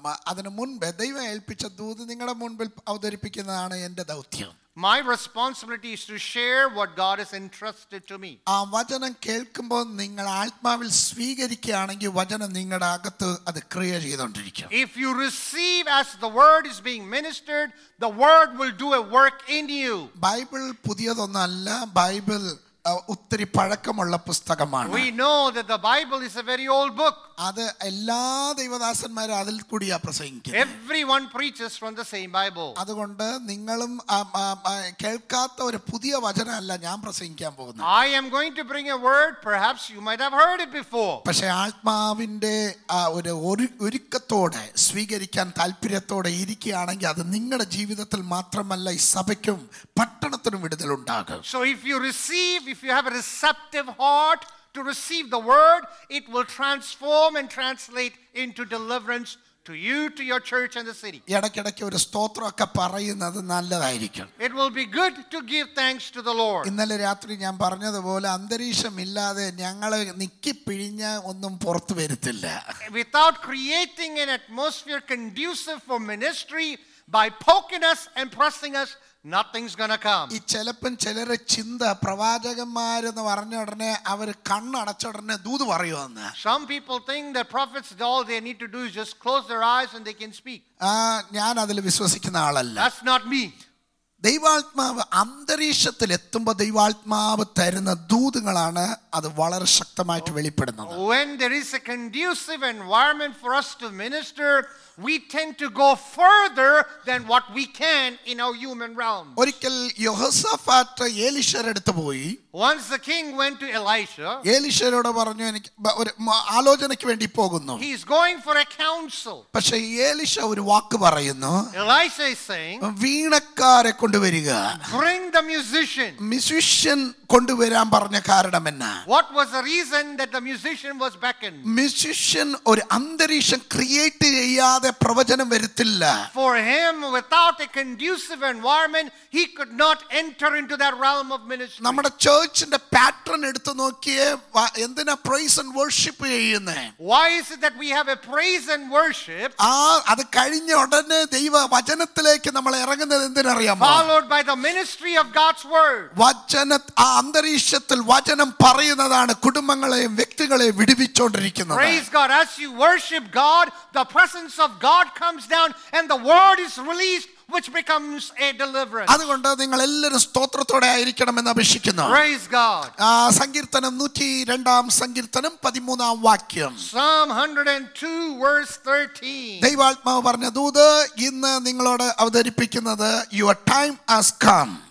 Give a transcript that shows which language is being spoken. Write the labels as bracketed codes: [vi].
[ml] അതിനു മുൻപേ ദൈവം ഏൽപ്പിച്ച ദൂത് നിങ്ങളുടെ മുൻപിൽ അവതരിപ്പിക്കുന്നതാണ് എന്റെ ദൗത്യം. [en] My responsibility is to share what God has entrusted to me. [ml] ആ വചനം കേൾക്കുമ്പോൾ നിങ്ങൾ ആത്മാവിൽ സ്വീകരിക്കുകയാണെങ്കിൽ വചനം നിങ്ങളുടെ അകത്ത് അത് ക്രിയ ചെയ്തുകൊണ്ടിരിക്കും. [en] If you receive as the word is being ministered, the word will do a work in you. [ml] Bible പുതിയതൊന്നല്ല. Bible ഒത്തിരി പഴക്കമുള്ള പുസ്തകമാണ്. [en] We know that the Bible is a very old book. [ml] അത് എല്ലാ ദൈവദാസന്മാരും അതിൽ കൂടിയാ പ്രസംഗിക്കുന്നത്. [en] Everyone preaches from the same Bible. [ml] അതുകൊണ്ട് നിങ്ങളും കേൾക്കാത്ത ഒരു പുതിയ വചനമല്ല ഞാൻ പ്രസംഗിക്കാൻ പോകുന്നത്. [en] I am going to bring a word perhaps you might have heard it before. [ml] പക്ഷേ ആത്മാവിന്റെ ഒരു ഒരുക്കത്തോടെ സ്വീകരിക്കാൻ താല്പര്യത്തോടെ ഇരിക്കുകയാണെങ്കിൽ അത് നിങ്ങളുടെ ജീവിതത്തിൽ മാത്രമല്ല ഈ സഭയ്ക്കും പട്ടണത്തിനും വിടുതൽ ഉണ്ടാകും. [en] So if you have a receptive heart to receive the word, it will transform and translate into deliverance to you, to your church and the city. [ml] ഇടയ്ക്കിടയ്ക്ക് ഒരു സ്തോത്രം ഒക്കെ പറയുന്നത് നല്ലതായിരിക്കും. [en] It will be good to give thanks to the Lord. [ml] ഇന്നലെ രാത്രി ഞാൻ പറഞ്ഞതുപോലെ അന്തരീക്ഷം ഇല്ലാതെ ഞങ്ങൾ നിക്കി പിഴിഞ്ഞ ഒന്നും പുറത്തു വരുത്തില്ല. [en] Without creating an atmosphere conducive for ministry by poking us and pressing us, nothing's going to come. [ml] ഈ ചിലപ്പം ചിലരെ ചിന്ത പ്രവാചകന്മാർ എന്ന് പറഞ്ഞ ഉടനെ അവർ കണ്ണടച്ച ഉടനെ ദൂത് പറയുവാണ്. [en] Some people think that prophets, all they need to do is just close their eyes and they can speak. [ml] ഞാൻ അതിൽ വിശ്വസിക്കുന്ന ആളല്ല. [en] That's not me. [ml] ദൈവാത്മാവ് അന്തരീക്ഷത്തിൽ എത്തുമ്പോൾ ദൈവാത്മാവ് തരുന്ന ദൂതുകളാണ് അത് വളരെ ശക്തമായിട്ട് വെളിപ്പെടുന്നത്. [en] When there is a conducive environment for us to minister, we tend to go further than what we can in our human realm. [ml] ഒരിക്കൽ യോഹസഫാത്ത് എലീശയുടെ അടുത്ത് പോയി. [en] Once the king went to Elisha. [ml] എലീശയോട് പറഞ്ഞു എനിക്ക് ഒരു ആലോചനയ്ക്ക് വേണ്ടി പോകുന്നു. [en] He is going for a counsel. [ml] പക്ഷേ എലീശ ഒരു വാക്ക് പറയുന്നു. [en] Elisha is saying. [ml] വീണക്കാരെ കൊണ്ടുവരിക. [en] Bring the musician. [ml] മ്യൂസിഷ്യൻ കൊണ്ടുവരാൻ പറഞ്ഞ കാരണം എന്താണ്? [en] What was the reason that the musician was beckoned? [ml] Musician ഒരു അന്തരീക്ഷം ക്രിയേറ്റ് ചെയ്യാ പ്രവചനം വരുത്തില്ല. [en] For him, without a conducive environment, he could not enter into that realm of ministry. [ml] നമ്മുടെ ചർച്ചിന്റെ പാറ്റേൺ എടുത്തു നോക്കിയേ എന്തിനാ [en] praise and worship [ml] ചെയ്യുന്നേ? [en] Why is it that we have a praise and worship? [ml] അത് കഴിഞ്ഞ ഉടനെ ദൈവ വചനത്തിലേക്ക് നമ്മൾ ഇറങ്ങുന്നത് എന്തിനറിയാമോ? [en] Followed by the ministry of God's word. [ml] വചന അന്തരീക്ഷത്തിൽ വചനം പറയുന്നതാണ് കുടുംബങ്ങളെയും വ്യക്തികളെയും വിടുവിച്ചുകൊണ്ടിരിക്കുന്നത്. [en] Praise God, as you worship God, the presence of God comes down and the word is released, which becomes a deliverance. [ml] അതുകൊണ്ട് നിങ്ങൾ എല്ലാവരും സ്തോത്രത്തോടെ ആയിരിക്കണം എന്ന് അപേക്ഷിക്കുന്നു. [en] Praise God. [ml] സങ്കീർത്തനം 102 സങ്കീർത്തനം 13 വാക്യം. [en] Psalm 102 verse 13. [ml] ദൈവാത്മാവ് പറഞ്ഞ ദൂത് ഇന്ന് നിങ്ങളോട് അവതരിപ്പിക്കുന്നത് [en] your time has come.